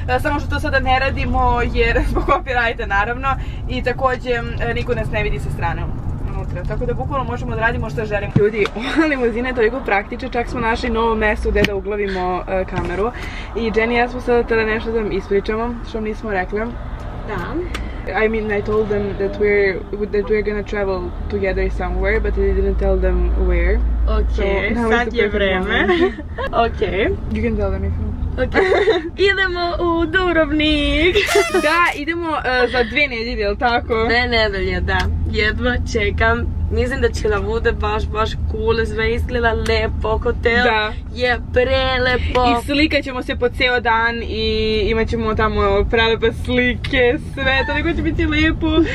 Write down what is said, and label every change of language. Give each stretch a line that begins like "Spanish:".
Serbian: Samo što to sada ne radimo jer zbog copyrighta naravno. I također niko nas ne vidi sa strane unutra. Tako da bukvalno možemo da radimo što želimo. Ljudi, ova limuzina je toliko praktična. Čak smo našli novo mesto gde da uglavimo kameru. I Jenny i ja smo sada tada nešto da vam ispričamo što vam nismo rekli. Da.
English: I mean, I told them that we're gonna travel together somewhere, but I didn't tell them where.
Serbian: Okay, so sad je vreme. Okay.
English: You can tell them if you want.
Serbian: Okay. Idemo u Dubrovnik. Da, idemo za dve nedelje, je li tako? Dve nedelje, da. Jedva čekam. Mislim da će da bude baš, baš cool, sve izgleda lepo, hotel da. Je prelepo. I slikat ćemo se po ceo dan i imat ćemo tamo prelepe slike, sve, toliko će biti lepo.